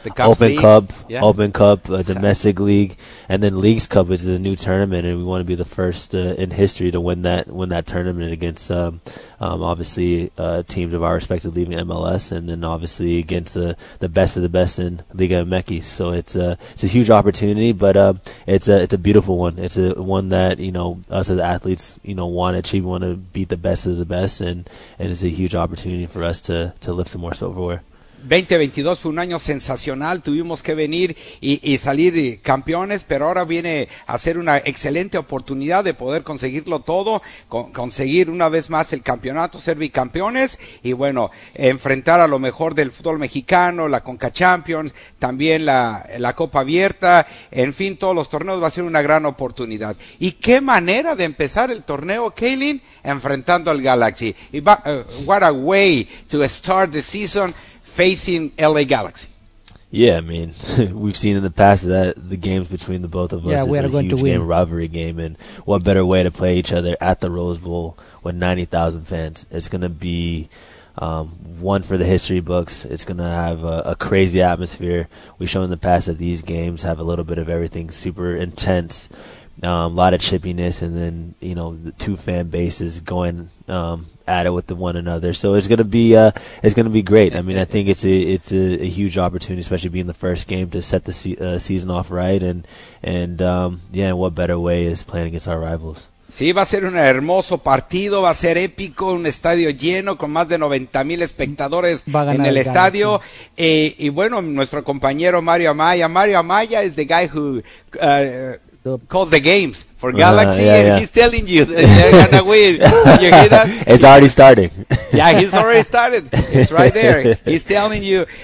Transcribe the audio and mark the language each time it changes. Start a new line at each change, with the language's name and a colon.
English: Open Cup, domestic league, and then Leagues Cup is a new tournament, and we want to be the first in history to win that tournament against teams of our respective leaving MLS, and then obviously against the best of the best in Liga MX. So it's a huge opportunity, but it's a beautiful one. It's a one that, you know, us as athletes, you know, want to achieve. We want to beat the best of the best, and it's a huge opportunity for us to lift some more silverware.
Spanish: 2022 fue un año sensacional, tuvimos que venir y salir campeones, pero ahora viene a ser una excelente oportunidad de poder conseguirlo todo, conseguir una vez más el campeonato, ser bicampeones, y bueno, enfrentar a lo mejor del fútbol mexicano, la Conca Champions, también la Copa Abierta, en fin, todos los torneos, va a ser una gran oportunidad. ¿Y qué manera de empezar el torneo, Kaylin? Enfrentando al Galaxy.
English: What a way to start the season facing LA Galaxy. Yeah, I mean, we've seen in the past that the games between the both of us is a huge game, rivalry game, and what better way to play each other at the Rose Bowl with 90,000 fans. It's going to be one for the history books. It's going to have a crazy atmosphere. We've shown in the past that these games have a little bit of everything, super intense, a lot of chippiness, and then, you know, the two fan bases going at it with the one another. So it's going to be great. I mean, I think it's a huge opportunity, especially being the first game to set the season off right, and what better way is playing against our rivals.
Spanish: Sí, va a ser un hermoso partido, va a ser épico, un estadio lleno con más de 90,000 espectadores en el estadio. Y bueno, nuestro compañero
English: Mario Amaya is the guy who calls the games for Galaxy, He's telling you they're going to win. You hear that? It's already starting. Yeah, he's already started. It's right there. He's telling you.